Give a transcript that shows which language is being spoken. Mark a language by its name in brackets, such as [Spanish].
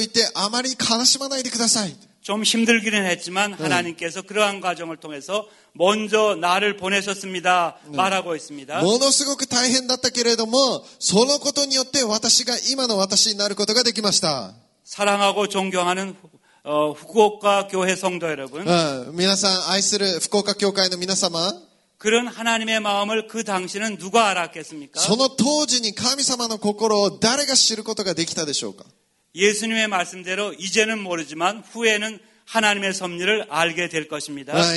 [Japanese] お兄さんたちが私を売ったからといってあまり悲しまないでください。 [Korean] 좀 힘들기는 했지만 하나님께서 그러한 과정을 통해서 먼저 나를 보내셨습니다. 말하고 있습니다. [Japanese] ものすごく大変だったけれども、そのことによって私が今の私になることができました。 [Korean] 사랑하고 존경하는 후쿠오카 교회 성도 여러분. [Japanese] 皆さん愛する福岡教会の皆様。 [Korean] 그런 하나님의 마음을 그 당시는 누가 알았겠습니까? [Japanese] その当時に神様の心を誰が知ることができたでしょうか? [Korean] 예수님의 말씀대로 이제는 모르지만 후에는 하나님의 섭리를 알게 될 것입니다.